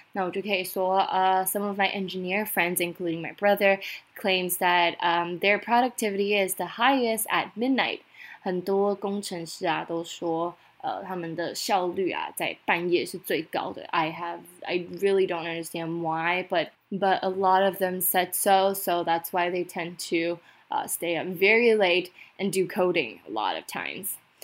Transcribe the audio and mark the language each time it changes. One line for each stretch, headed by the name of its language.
Chinese: 那我就可以说,
English: some of my engineer friends, including my brother, claims that their productivity is the highest at midnight.
Chinese: 很多工程师啊, 都说, 他们的效率啊, 在半夜是最高的。
English: I really don't understand why, but a lot of them said so, so that's why they tend to stay up very late and do coding a lot of times.